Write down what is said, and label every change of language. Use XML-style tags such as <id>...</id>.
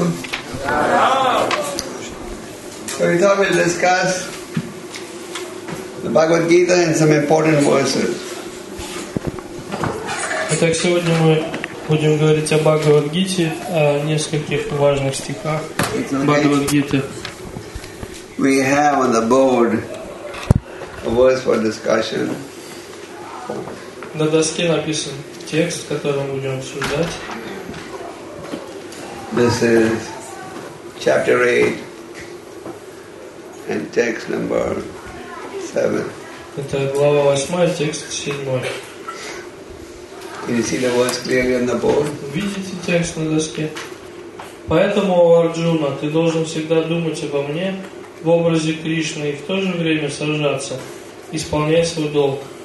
<en>So we thought we'd discuss the Bhagavad Gita and some important verses.</en> <ru>Итак, сегодня мы будем говорить о Бхагавад Гите, о нескольких важных стихах Бхагавад Гиты.</ru> <en>We have on the board a verse for discussion.</en> <ru>На доске написан текст, который мы будем обсуждать.</ru> <en>This is chapter 8 and text number 7.</en> <ru>Это глава 8, текст 7.</ru> <en>Can you see the words clearly on the board?</en> <ru>Видите текст на доске? Поэтому, о Арджуна, ты должен всегда думать обо мне в образе Кришны и в то же время сражаться, исполняя свой долг.</ru>